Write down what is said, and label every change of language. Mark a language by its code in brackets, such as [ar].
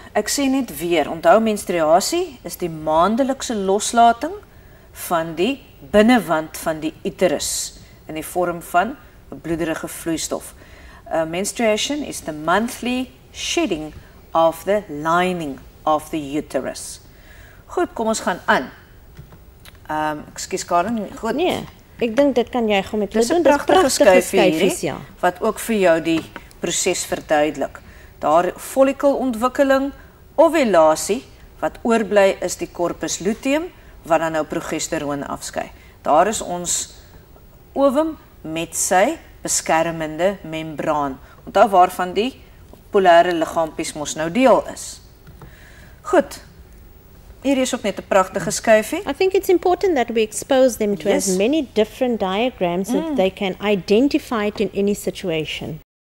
[af] Ek sê net weer, onthou menstruasie is die maandelikse loslating van die binnenwand van die uterus in die vorm van bloederige vloeistof. [en] Menstruation is the monthly shedding of the lining of the uterus. [af] Goed, kom ons gaan aan. Excuse Karen, goed. Nee, ek dink dit kan jy gou met hulle doen. Dis 'n prachtige skuifie hierdie, ja. Wat ook vir jou die proses verduidelik. Daar follikelontwikkeling, ovulasie, wat oorbly is die corpus luteum, wat dan nou progesteroon afskei. Daar is ons ovum met sy beskermende membraan, onthou waarvan die polaire liggaampies mos nou deel is. Goed, hier is ook net 'n prachtige skuifie. [en] I think it's important that we expose them to, yes, as many different diagrams that they can identify it in any situation.